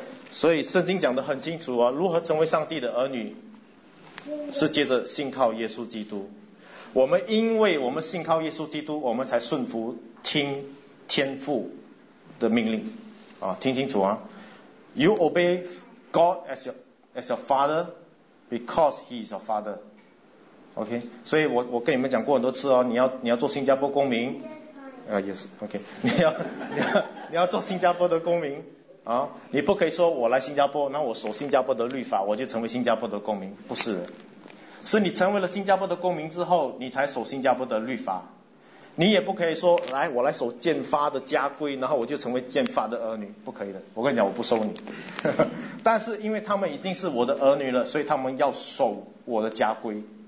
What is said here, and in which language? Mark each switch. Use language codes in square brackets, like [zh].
[zh] 所以圣经讲得很清楚啊，如何成为上帝的儿女，是借着信靠耶稣基督。我们因为我们信靠耶稣基督，我们才顺服听天父的命令啊，听清楚啊。 [en] You obey God as your father because he is your father。 [zh] OK， 所以我跟你们讲过很多次哦，你要做新加坡公民，yes，OK， 你要做新加坡的公民啊，你不可以说我来新加坡，那我守新加坡的律法，我就成为新加坡的公民，不是，是你成为了新加坡的公民之后，你才守新加坡的律法，你也不可以说来我来守建发的家规，然后我就成为建发的儿女，不可以的，我跟你讲我不收你，但是因为他们已经是我的儿女了，所以他们要守我的家规。